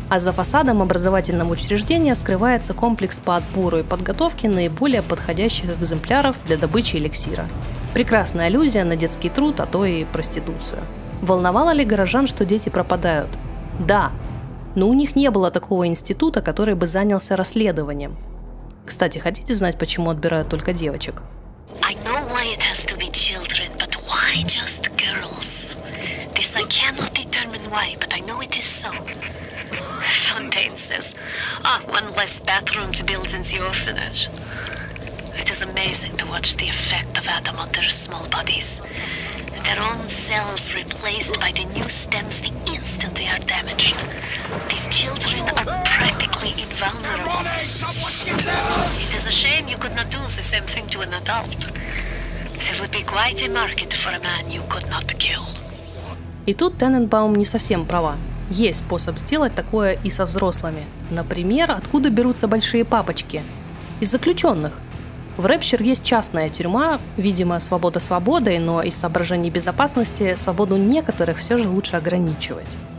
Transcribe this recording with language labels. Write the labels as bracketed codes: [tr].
[ru] А за фасадом образовательного учреждения скрывается комплекс по отбору и подготовке наиболее подходящих экземпляров для добычи эликсира. Прекрасная аллюзия на детский труд, а то и проституцию. Волновало ли горожан, что дети пропадают? Да. Но у них не было такого института, который бы занялся расследованием. Кстати, хотите знать, почему отбирают только девочек? [en] I know why it has to be children, but why just girls? This I cannot determine why, but I know it is so. Fontaine says, one less bathroom to build in the orphanage. It is amazing to watch the effect of Adam on their small bodies. Their own cells replaced by the new stems the instant they are damaged. These children are practically invulnerable. It is a shame you could not do the same thing to an adult. There would be quite a market for a man you could not kill. [ru] И тут Тененбаум не совсем права. Есть способ сделать такое и со взрослыми. Например, откуда берутся большие папочки? Из заключенных. В Рэпчер есть частная тюрьма, видимо, свобода свободой, но из соображений безопасности свободу некоторых все же лучше ограничивать.